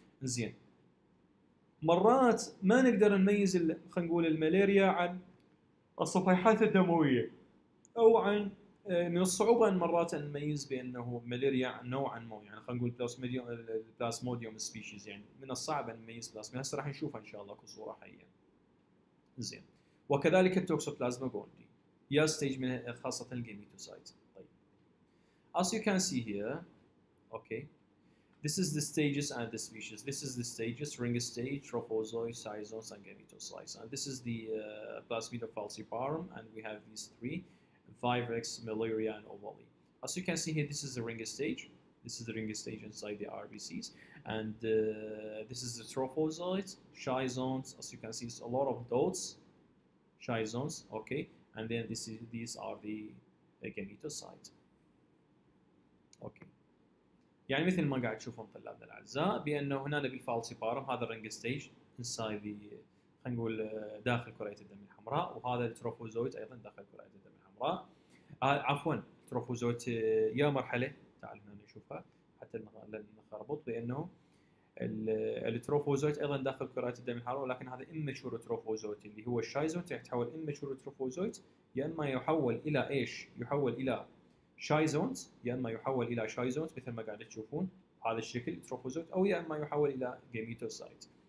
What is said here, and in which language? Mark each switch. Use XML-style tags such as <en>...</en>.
<ar>زين مرات ما نقدر نميز خلينا نقول الملاريا عن الصفيحات الدمويه او عن من الصعوبه مرات ان نميز بانه ملاريا نوعا ما، يعني خلينا نقول بلاسموديوم سبيشيز، يعني من الصعب ان نميز بلاسموديوم، هسه راح نشوفها ان شاء الله اكو صوره حيه. زين وكذلك التوكسوبلازما جوندي يا ستيج من خاصه الجيميتوسايت.</ar> <en>طيب as you can see here, okay, this is the stages and the species. This is the stages, ring stage, trophozoite, shy zones, and gametocytes. And this is the plasmodium falciparum, and we have these three, Vivrex, malaria, and ovale. As you can see here, this is the ring stage. This is the ring stage inside the RBCs. And this is the trophozoites, shy zones. As you can see, it's a lot of dots, shy zones, okay. And then this is, these are the gametocytes, okay.</en> <ar>يعني مثل ما قاعد تشوفون طلابنا الاعزاء بانه هنا بالفالسي بارم هذا الرينج ستيج</ar> <en>inside the</en> <ar>خلينا نقول داخل كريه الدم الحمراء، وهذا التروفوزويت ايضا داخل كريه الدم الحمراء. عفوا تروفوزوت يا مرحله تعال نشوفها حتى نربط بانه التروفوزوت ايضا داخل كرات الدم الحاره، ولكن هذا immature تروفوزوت اللي هو الشايزوت يتحول immature تروفوزوت، يا اما يحول الى ايش؟ يحول الى شايزونت، يا اما يحول الى شايزونت مثل ما قاعد تشوفون هذا الشكل تروفوزوت، او يا اما يحول الى جيميتوسايت.</ar>